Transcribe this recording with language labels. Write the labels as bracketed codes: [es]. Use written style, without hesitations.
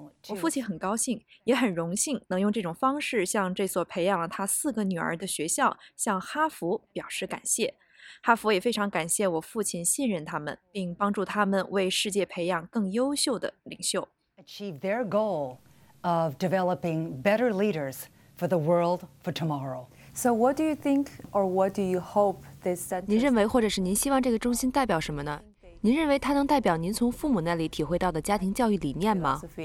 [zh] 我父亲很高兴，也很荣幸能用这种方式向这所培养了他四个女儿的学校，向哈佛表示感谢。哈佛也非常感谢我父亲信任他们，并帮助他们为世界培养更优秀的领袖。 [en] Achieve their goal of developing better leaders for the world for tomorrow. So what do you think or what do you hope this center? [zh] 您认为或者是您希望这个中心代表什么呢？您认为它能代表您从父母那里体会到的家庭教育理念吗？